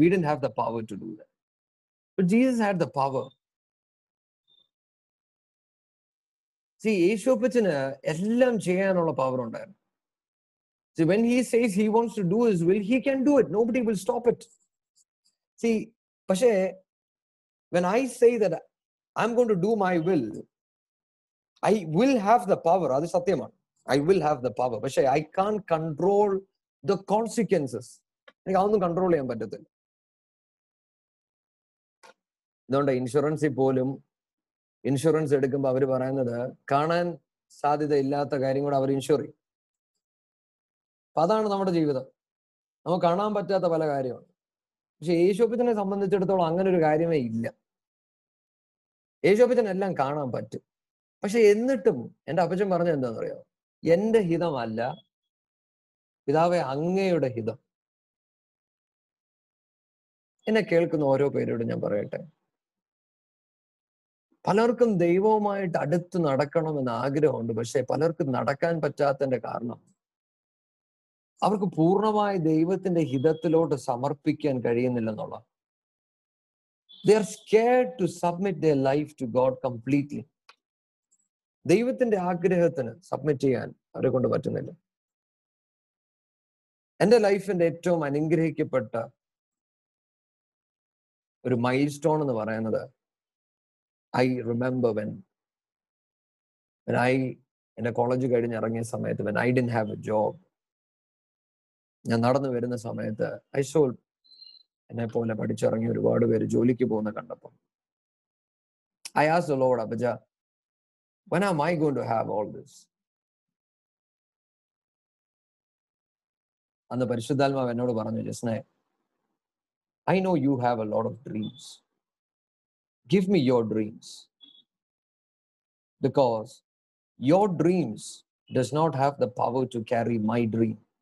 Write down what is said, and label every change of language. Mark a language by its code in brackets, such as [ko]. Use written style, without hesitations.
[en] We didn't have the power to do that, but Jesus had the power. See, [ml] യേശു അപ്പച്ചന് എല്ലാം ചെയ്യാനുള്ള power ഉണ്ടായിരുന്നു. [en] See, when he says he wants to do his will, he can do it, nobody will stop it. See, പക്ഷേ when I say that I'm going to do my will, I will have the power. [ml] അത് സത്യമാണ്, [en] I will have the power. പക്ഷേ I can't control the consequences. [ml] എനിക്ക് അതൊന്നും control ചെയ്യാൻ പറ്റത്തില്ല. ഇതുകൊണ്ട് ഇൻഷുറൻസിൽ പോലും ഇൻഷുറൻസ് എടുക്കുമ്പോൾ അവർ പറയുന്നത്, കാണാൻ സാധ്യത ഇല്ലാത്ത കാര്യം കൂടെ അവർ ഇൻഷുർ ചെയ്യും. അപ്പൊ അതാണ് നമ്മുടെ ജീവിതം, നമുക്ക് കാണാൻ പറ്റാത്ത പല കാര്യമാണ്. പക്ഷെ യേശുവിനെ സംബന്ധിച്ചിടത്തോളം അങ്ങനെ ഒരു കാര്യമേ ഇല്ല. യേശുവിനെ എല്ലാം കാണാൻ പറ്റും. പക്ഷെ എന്നിട്ടും എൻ്റെ അപ്പച്ചൻ പറഞ്ഞത് എന്താണെന്ന് അറിയോ? എൻ്റെ ഹിതമല്ല, പിതാവെ അങ്ങയുടെ ഹിതം. എന്നെ കേൾക്കുന്ന ഓരോ പേരോടും ഞാൻ പറയട്ടെ, പലർക്കും ദൈവവുമായിട്ട് അടുത്ത് നടക്കണമെന്ന് ആഗ്രഹമുണ്ട്. പക്ഷെ പലർക്കും നടക്കാൻ പറ്റാത്തതിന്റെ കാരണം, അവർക്ക് പൂർണ്ണമായി ദൈവത്തിന്റെ ഹിതത്തിലോട്ട് സമർപ്പിക്കാൻ കഴിയുന്നില്ലെന്നുള്ള. [en] They are scared to submit their life to God completely. [ml] ദൈവത്തിന്റെ ആഗ്രഹത്തിന് സബ്മിറ്റ് ചെയ്യാൻ അവരെ കൊണ്ട് പറ്റുന്നില്ല. എൻ്റെ ലൈഫിന്റെ ഏറ്റവും അനുഗ്രഹിക്കപ്പെട്ട ഒരു മൈൽ സ്റ്റോൺ എന്ന് പറയുന്നത് [en] I remember when [ml] എന്റെ കോളേജ് കഴിഞ്ഞ് ഇറങ്ങിയ സമയത്ത് [en] when I didn't have a job [ml] ഞാൻ നടന്നു വരുന്ന സമയത്ത് [en] I saw [ml] എന്നെ പോലെ പഠിച്ചിറങ്ങി ഒരുപാട് പേര് ജോലിക്ക് പോകുന്ന കണ്ടപ്പോൾ [en] I ask the Lord [ml] അബജ [en] When am I going to have all this? And the [ml] Parishuddhaatma ennodu paranju [en] jasne, I know you have a lot of dreams. Give me your dreams. Because your dreams does not have the power to carry my dream.